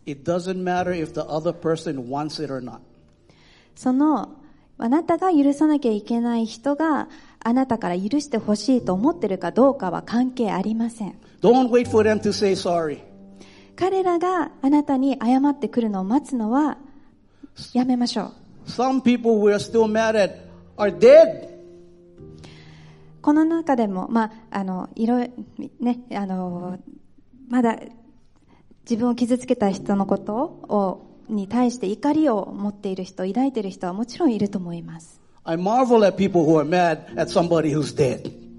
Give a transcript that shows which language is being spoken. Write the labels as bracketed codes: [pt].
[en] it doesn't matter if the other person wants it or not。 [ja] そのあなたが許さなきゃいけない人があなたから許してほしいと思ってるかどうかは関係ありません。 [en] Don't wait for them to say sorry。 [ja] 彼らがあなたに謝ってくるのを待つのはやめましょう。 [en] Some people we are still mad at are dead。 [ja] この中でも、まあ、あの、いろいろ、ね、あの、まだ自分を傷つけた人のことをに対して怒りを持っている人、抱いている人はもちろんいると思います。 [en] I marvel at people who are mad at somebody who's dead。